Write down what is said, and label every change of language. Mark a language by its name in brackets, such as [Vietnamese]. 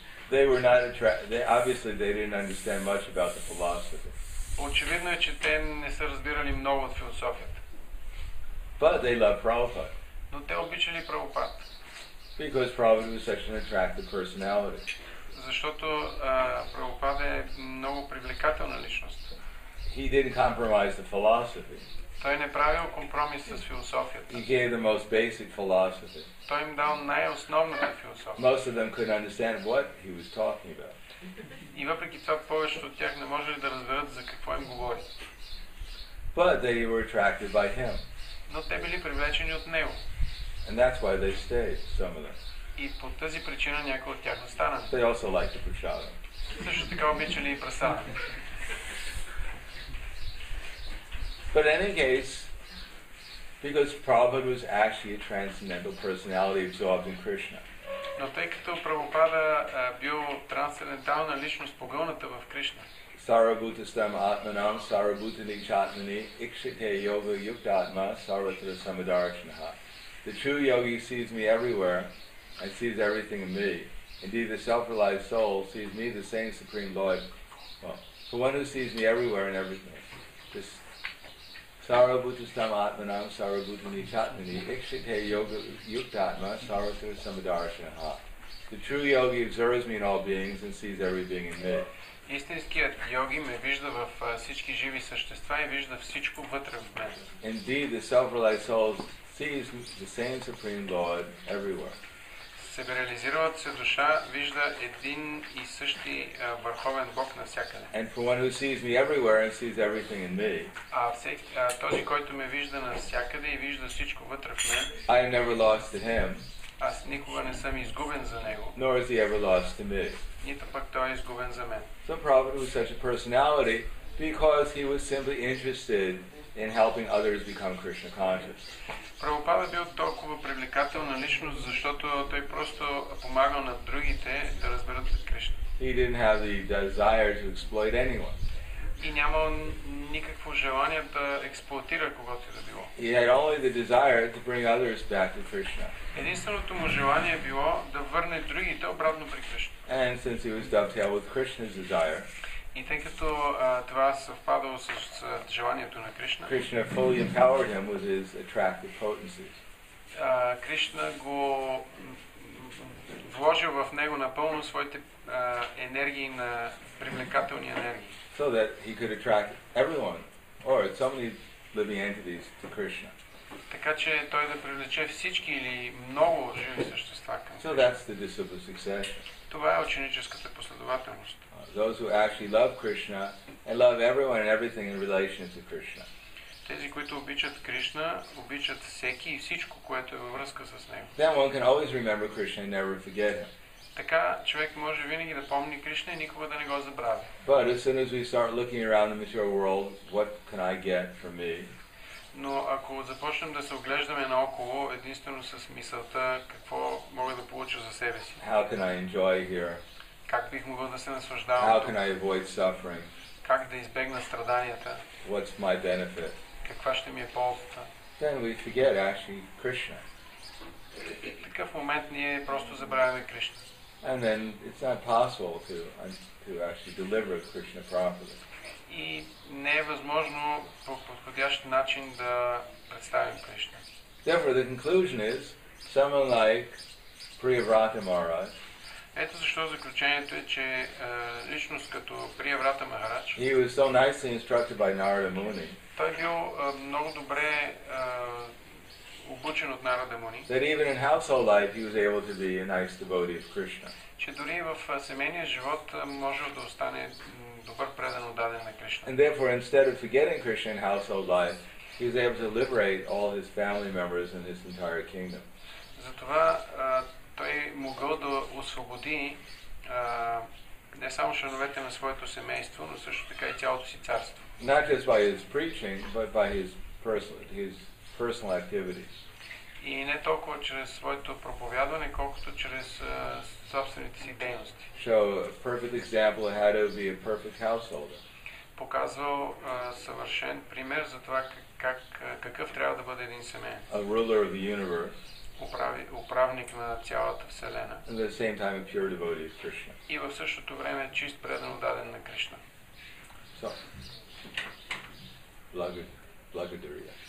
[English] They were not obviously they didn't understand much about the philosophy. [Bulgarian] Очевидно е, че те не са разбирали много от философията. [English] But they loved Prabhupada. [Bulgarian] Но те обичали Прабхупад. [English] Because Prabhupada was such an attractive personality. [Bulgarian] Защото Прабхупад е много привлекателна личност. [English] He didn't compromise the philosophy. [Bulgarian] Той не правил компромис с философията. [English] He gave the most basic philosophy. [Bulgarian] Той им дал най-основната философия. [English] Most of them couldn't understand what he was talking about. [Bulgarian] И въпреки това повечето от тях не можели да разберат за какво им говори. [English] But they were attracted by him. [Bulgarian] Но те били привлечени от него. [English] And that's why they stayed, some of them. [Bulgarian] И по тази причина някои от тях останали. [English] They also liked the prasada. [Bulgarian] Също така обичали и прасада. [English] But in any case, because Prabhupada was actually a transcendental personality absorbed in Krishna. [Bulgarian] Но тъй като Прабхупада бил трансцендентална личност, погълната в Кришна. [Sanskrit] Sarabhutastam atmanam, sarabhutani chatmani, ikshite yoga yuktatma, sarvatra samadarshanaha. [English] The true yogi sees me everywhere and sees everything in me. Indeed, the self-realized soul sees me, the same supreme Lord. Well, the one who sees me everywhere and everything. This [Sanskrit] Sarabhutastamatmanam, sarabhutanichatmani, ikshite yoga yuktatma, sarasara samadarshanha. [English] The true yogi observes me in all beings and sees every being in me. [Bulgarian] Истинският йоги ме вижда в всички живи същества и вижда всичко вътре в мен. [English] Indeed, the self-realized soul sees the same supreme Lord everywhere. [Bulgarian] Себереализиралата се душа вижда един и същи върховен Бог навсякъде. [English] And for one who sees me everywhere and sees everything in me. [Bulgarian] Този, който ме вижда навсякъде и вижда всичко вътре в мен. [English] I am never lost to him. [Bulgarian] Аз никога не съм изгубен за него. [English] Nor is he ever lost to me. [Bulgarian] Нито пък той е изгубен за мен. [English] So Prabhupada was such a personality because he was simply interested in helping others become Krishna conscious. [Bulgarian] Prabhupada бил толкова привлекателна личност, защото той просто помагал на другите да разберат Кришна. [English] He didn't have the desire to exploit anyone. [Bulgarian] И нямал никакво желание да експлоатира когото и да било. [English] He had only the desire to bring others back to Krishna. [Bulgarian] Единственото му желание било да върне другите обратно при Кришна. [English] And since he was dovetailed with Krishna's desire. [Bulgarian] И тъй като това съвпадало с желанието на Кришна. [English] Krishna fully empowered him with his attractive potencies. [Bulgarian] Кришна го вложил в него напълно своите енергии на привлекателни енергии. [English] So that he could attract everyone or so many living entities to Krishna. [Bulgarian] Така че той да привлече всички или много живи същества към [English] Krishna. So that's the disciple succession. [Bulgarian] Това е ученическата последователност. [English] Those who actually love Krishna and love everyone and everything in relation to Krishna. [Bulgarian] Тези, които обичат Кришна, обичат всеки и всичко, което е във връзка с него. [English] Then one can always remember Krishna and never forget him. [Bulgarian] Така човек може винаги да помни Кришна и никога да не го забравя. [English] But as soon as we start looking around the material world, what can I get for me? [Bulgarian] Но ако започнем да се оглеждаме наоколо, единствено с мисълта какво мога да получа за себе си. [English] How can I enjoy here? [Bulgarian] Как бих могъл да се наслаждавам? [English] How can I avoid suffering? [Bulgarian] Как да избегна страданията? [English] What's my benefit? [Bulgarian] Каква ще ми е ползата? [English] Then we forget actually Krishna. [Bulgarian] В такъв момент ние просто забравяме Кришна. [English] And then it's not possible to actually deliver Krishna properly. [Bulgarian] И не е възможно по подходящ начин да представим Кришна. [English] Therefore the conclusion is someone like Priyavrata Maharaj. [Bulgarian] Ето защо заключението е, че личност като Priyavrata Maharaj. [English] He was so nicely instructed by Narada Muni. [Bulgarian] Той бил много добре обучен от Нарада Муни. [English] That even in household life he was able to be a nice devotee of Krishna. [Bulgarian] Че дори в семейния живот може да остане добър предан отдаден на Кришна. [English] And therefore instead of forgetting Krishna in household life, he was able to liberate all his family members and his entire kingdom. [Bulgarian] Затова той могъл да освободи не само членовете на своето семейство, но също така и цялото си царство. [English] Not just by his preaching, but by his personal activities. [Bulgarian] И не толкова чрез своето проповядване, колкото чрез собствените си дейности. [English] Show a perfect example of how to be a perfect householder. [Bulgarian] Показвал съвършен пример за това какъв трябва да бъде един семеен. [English] A ruler of the universe. [Bulgarian] Управник на цялата вселена. [English] At the same time a pure devotee of Krishna. [Bulgarian] И в същото време чист предан отдаден на Кришна. So, благодаря.